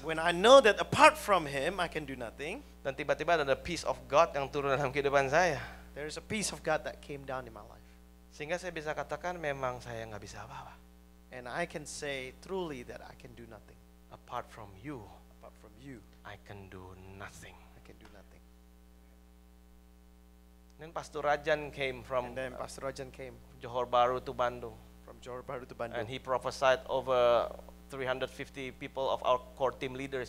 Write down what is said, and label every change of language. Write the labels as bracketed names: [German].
[English] when I know that apart from him I can do nothing, [Indonesian] dan tiba-tiba ada [English] the peace of God [Indonesian] yang turun dalam kehidupan saya, [English] there is a peace of God that came down in my life, [Indonesian] sehingga saya bisa katakan memang saya enggak bisa apa-apa, [English] and I can say truly that I can do nothing apart from you, apart from you I can do nothing. I can do nothing. Then Pastor Rajan came from Johor Bahru to Bandung. From Johor Bahru to Bandung. And he prophesied over 350 people of our core team leaders.